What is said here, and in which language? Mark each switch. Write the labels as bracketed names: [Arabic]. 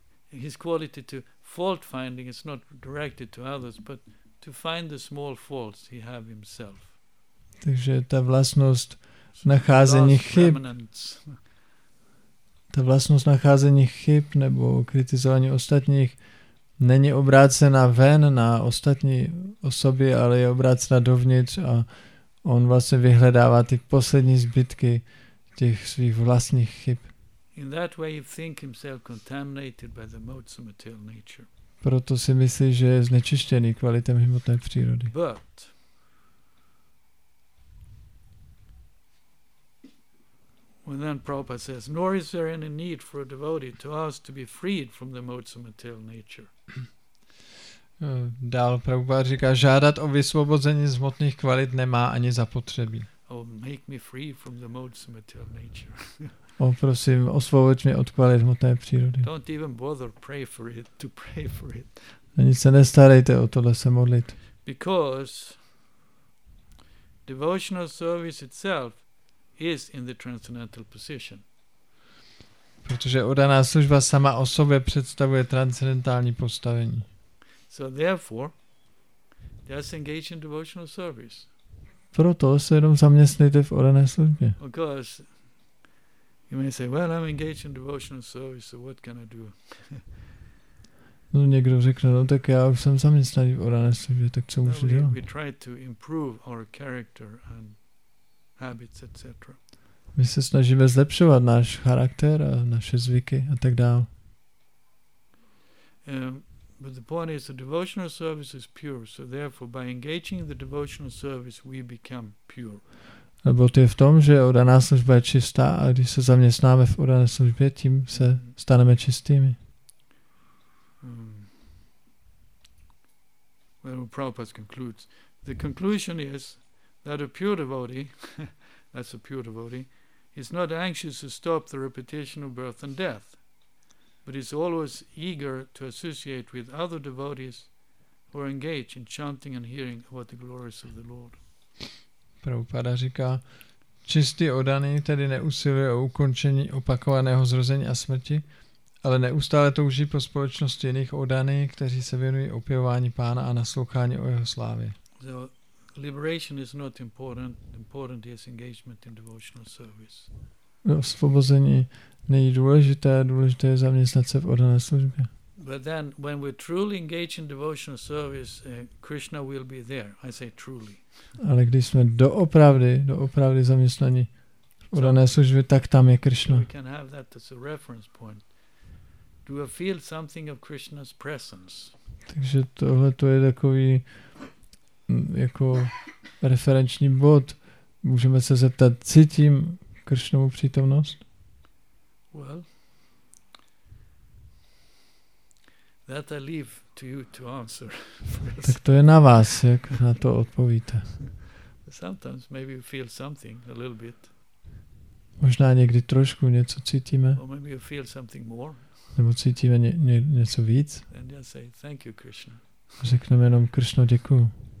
[English] His quality to fault finding is not directed to others, but to find the small faults he have himself. [Czech] Takže ta vlastnost nacházení chyb. Ta vlastnost nacházení chyb nebo kritizování ostatních není obrácena ven na ostatní osoby, ale je obrácena dovnitř a on vlastně vyhledává ty poslední zbytky těch svých vlastních chyb. [English] In that way he thinks himself contaminated by the motsu material nature. [Czech] Proto si myslí, že je znečištěný kvalitami hmotné přírody. [English] But when then Prabhupada says, nor is there any need for a devotee to ask to be freed from the motsu material nature. [Czech] Dál Prabhupada říká, žádat o vysvobození z hmotných kvalit nemá ani zapotřebí. [English] Oh, make me free from the motsu material nature. [Czech] O, prosím, osvoboď mě od kvalit hmotné přírody. [English] Don't even bother pray for it, to pray for it. [Czech] Ani se nestarejte o tohle se modlit. [English] Because devotional service itself is in the transcendental position. [Czech] Protože oddaná služba sama o sobě představuje transcendentální postavení. [English] So therefore, just engage in devotional service. [Czech] Proto se jenom zaměstnejte v oddané službě. [English] Because you may say, well, I'm engaged in devotional service, so what can I do? [Czech] No, někdo řekne, no tak já už jsem zaměstnaný v oddané službě, tak co můžu dělat? [English] We try to improve our character and habits, etc. [Czech] My se snažíme zlepšovat náš charakter a naše zvyky a tak dál. [English] But the point is, the devotional service is pure, so therefore by engaging the devotional service, we become pure. [Czech] Nebo to je v tom, že oddaná služba je čistá a když se zaměstnáme v oddané službě, tím se staneme čistými. [English] Well, Prabhupada concludes. The conclusion is that a pure devotee, that's a pure devotee, is not anxious to stop the repetition of birth and death, but is always eager to associate with other devotees who are engaged in chanting and hearing about the glories of the Lord. [Czech] Prabhupada říká, čistý oddaný tedy neusiluje o ukončení opakovaného zrození a smrti, ale neustále touží po společnosti jiných oddaných, kteří se věnují opěvování pána a naslouchání o jeho slávě. [English] So, liberation is not important. Important is engagement in devotional service. [Czech] Osvobození není důležité, důležité je zaměstnat se v oddané službě. [English] But then, when we truly engage in devotional service, Krishna will be there. I say truly. [Czech] Ale když jsme doopravdy zaměstnaní v oddané službě, tak tam je Krishna. [English] We can have that as a reference point. Do you feel something of Krishna's presence? [Czech] Takže tohle to je takový jako referenční bod. Můžeme se zeptat, cítím Krishnovu přítomnost? [English] Well, that I leave to you to answer. [Czech] Tak to je na vás, jak na to odpovíte. [English] Sometimes maybe you feel something a little bit. [Czech] Možná někdy trošku něco cítíme. [English] Or maybe you feel something more. [Czech] Nebo cítíme něco víc. [English] And just say thank you, Krishna. [Czech] Řekneme jenom Krishno, děkuju.